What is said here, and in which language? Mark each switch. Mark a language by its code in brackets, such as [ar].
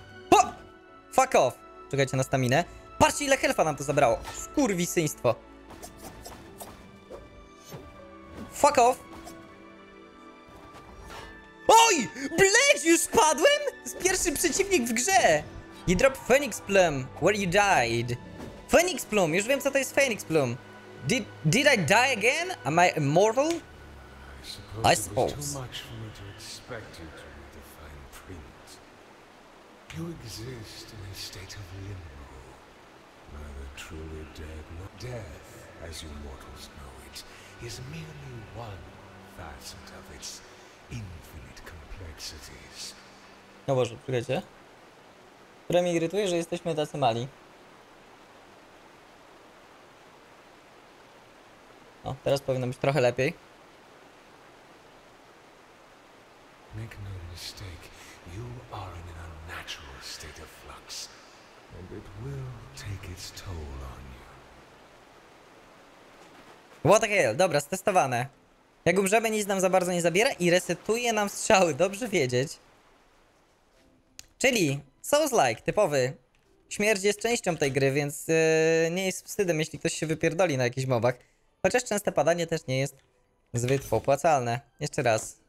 [pl] Ho! [en] Fuck off. [pl] Czekajcie na staminę. Patrzcie, ile health'a nam to zabrało. Skurwysyństwo. [en] Fuck off. [pl] Oj! Bledź, już padłem? Pierwszy przeciwnik w grze. [en] You drop Phoenix Plume where you died. Phoenix Plume. [pl] Już wiem, co to jest Phoenix Plume. [en] Did I die again? Am I immortal? I suppose. Too much for me to expect you to read the fine print. You exist in a state of limbo, neither truly dead nor death, as you mortals know it, is merely one facet of its infinite complexities. [pl] No Boże, przyjdzie. Które mnie irytuje, że jesteśmy tacy mali. O, teraz powinno być trochę lepiej. [en] Make no mistake, you are in an unnatural state of flux, and it will take its toll on you. What the hell? [pl] Dobra, stestowane. Jak umrzemy, nic nam za bardzo nie zabiera i resetuje nam strzały, dobrze wiedzieć. Czyli Souls-like, typowy. Śmierć jest częścią tej gry, więc nie jest wstydem, jeśli ktoś się wypierdoli na jakichś mobach. Chociaż częste padanie też nie jest zbyt opłacalne. Jeszcze raz.